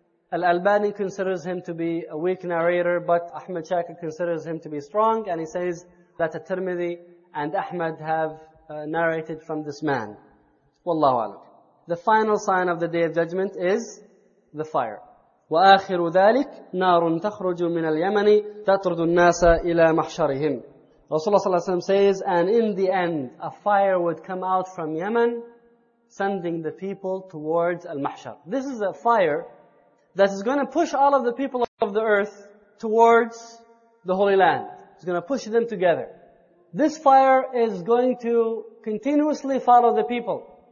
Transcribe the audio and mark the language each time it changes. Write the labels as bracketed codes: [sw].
[en] Al-Albani considers him to be a weak narrator, but Ahmed Shakir considers him to be strong, and he says that At-Tirmidhi and Ahmed have narrated from this man. Wallahu alam. The final sign of the Day of Judgment is the fire. [ar] وآخر ذلك نار تخرج من اليمن تطرد الناس إلى محشرهم. [en] Rasulullah sallallahu alayhi wa sallam says, and in the end, a fire would come out from Yemen, sending the people towards al-mahshar. This is a fire that is going to push all of the people of the earth towards the Holy Land. It's going to push them together. This fire is going to continuously follow the people.